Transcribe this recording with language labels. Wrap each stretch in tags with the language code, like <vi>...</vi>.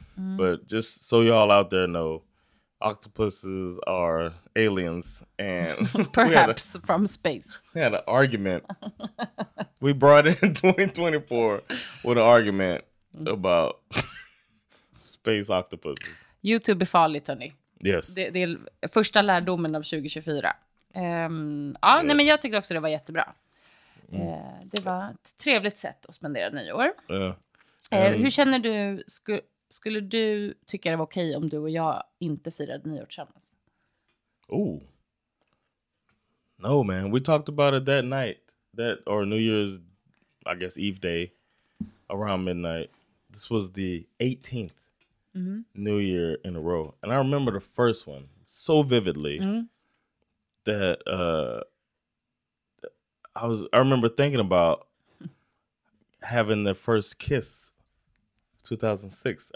<en>But just so y'all out there know, octopuses are aliens and perhaps from space. We had an argument. We brought in 2024 with an argument about space octopuses.</en> <sv>YouTube är farligt, hörni.</sv> <en>Yes.</en> <sv>Det är första lärdomen av 2024. Nej, men jag tyckte också det var jättebra. Det var ett trevligt sätt att spendera nyår. Hur känner du, skulle du tycka det var okej om du och jag inte firade nyår tillsammans?</sv> <en>Oh. No, man. We talked about it that night. That or New Year's, I guess, Eve day around midnight. This was the 18th New Year in a row. And I remember the first one so vividly that I remember thinking about having the first kiss 2006.</en>